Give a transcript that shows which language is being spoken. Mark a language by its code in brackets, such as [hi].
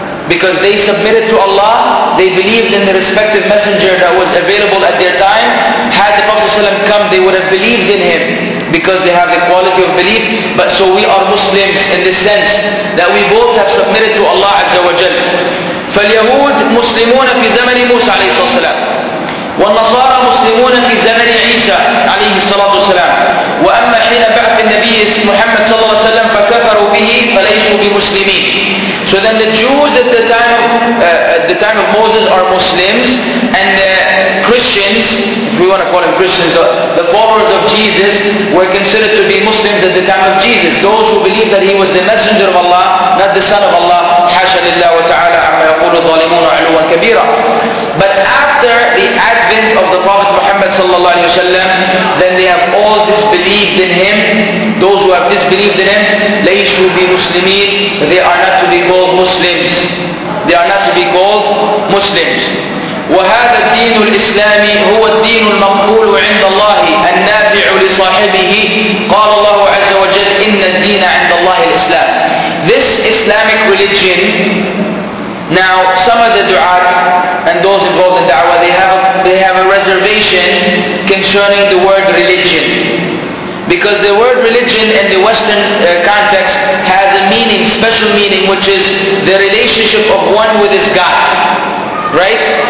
[en] Because they submitted to Allah, they believed in the respective messenger that was available at their time. Had the Prophet ﷺ come, they would have believed in him because they have the quality of belief. But so we are Muslims in this sense that we both have submitted to Allah Azza wa Jal. [ar] فاليهود مسلمون في زمن موسى عليه الصلاة والسلام والنصارى مسلمون في زمن عيسى عليه الصلاة والسلام وأما حين بعث النبي محمد صلى الله عليه وسلم فكفروا به فليسوا بمسلمين. [en] So then the Jews at the time of Moses are Muslims, and the Christians, if we want to call them Christians, the followers of Jesus were considered to be Muslims at the time of Jesus. Those who believe that he was the messenger of Allah, not the son of Allah, [ar] حاشا لله وتعالى عما يقول الظالمون علوا كبيرا. [en] But after the advent of the Prophet Muhammad sallallahu alaihi wasallam, then they have all disbelieved in him. Those who have disbelieved in him, [ar] ليسوا بمسلمين, [en] they are not to be called Muslims. They are not to be called Muslims. [ar] وهذا الدين الإسلامي هو الدين المقبول عند الله النافع لصاحبه. قال الله عز وجل إن الدين عند الله الإسلام. [en] This Islamic religion. Now, some of the du'at and those involved in da'wah, they have a reservation concerning the word religion. Because the word religion in the Western context has a meaning, special meaning, which is the relationship of one with his God. Right?